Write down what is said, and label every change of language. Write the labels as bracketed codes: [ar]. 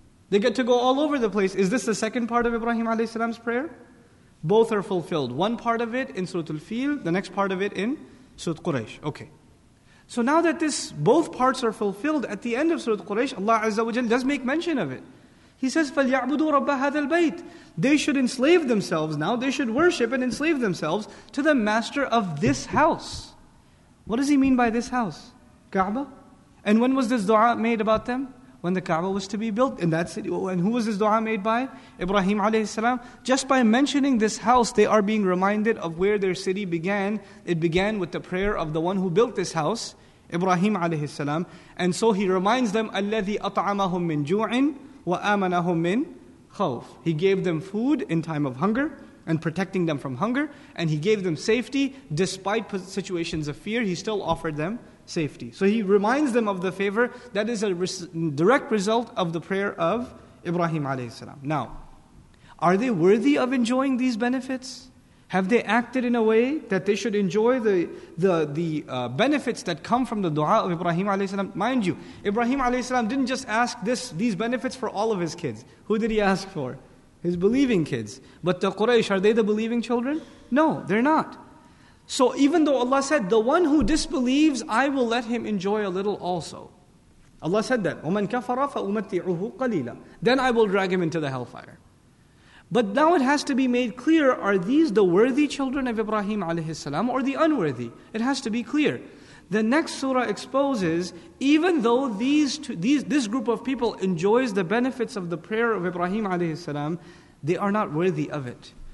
[en] They get to go all over the place. Is this the second part of Ibrahim alayhi salam's prayer? Both are fulfilled. One part of it in Surah Al-Fil, the next part of it in Surah Quraysh. Okay. So now that this both parts are fulfilled, at the end of Surah Quraysh, Allah Azza wa Jal does make mention of it. He says, [ar] فَلْيَعْبُدُوا رَبَّ هَذَا الْبَيْتِ. [en] They should enslave themselves now. They should worship and enslave themselves to the master of this house. What does he mean by this house? Kaaba. And when was this dua made about them? When the Kaaba was to be built in that city. And who was this dua made by? Ibrahim alayhi salam. Just by mentioning this house, they are being reminded of where their city began. It began with the prayer of the one who built this house, Ibrahim alayhi salam. And so he reminds them, [ar] الَّذِي أَطْعَمَهُمْ مِنْ جُوعٍ وَآمَنَهُمْ مِنْ خَوْفٍ. [en] He gave them food in time of hunger and protecting them from hunger. And he gave them safety despite situations of fear. He still offered them safety. So he reminds them of the favor that is a direct result of the prayer of Ibrahim alayhi salam. Now, are they worthy of enjoying these benefits? Have they acted in a way that they should enjoy the benefits that come from the dua of Ibrahim alayhi salam? Mind you, Ibrahim alayhi salam didn't just ask these benefits for all of his kids. Who did he ask for? His believing kids. But the Quraysh, are they the believing children? No, they're not. So even though Allah said, the one who disbelieves, I will let him enjoy a little also. Allah said that, [ar] وَمَنْ كَفَرَ فَأُمَتِّعُهُ قَلِيلًا. [en] Then I will drag him into the hellfire. But now it has to be made clear, are these the worthy children of Ibrahim alayhi salam or the unworthy? It has to be clear. The next surah exposes, even though this group of people enjoys the benefits of the prayer of Ibrahim alayhi salam, they are not worthy of it.